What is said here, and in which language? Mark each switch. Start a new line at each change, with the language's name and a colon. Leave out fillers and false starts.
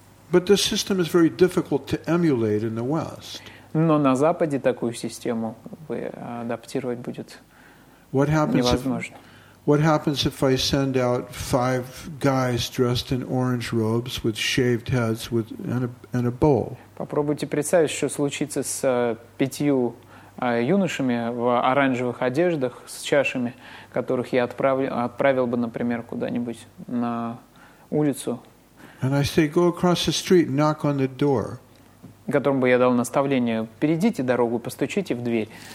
English: But this system is very difficult to emulate in the West.
Russian: Но на Западе такую систему адаптировать будет невозможно.
English: What happens if I send out five guys dressed in orange robes with shaved heads and a bowl?
Russian: Попробуйте представить, что случится с пятью юношами в оранжевых одеждах с чашами, которых я отправил бы, например, куда-нибудь на улицу.
English: And I say, go across the street and knock on the door.
Russian: Которым бы я дал наставление, перейдите дорогу, постучите в дверь.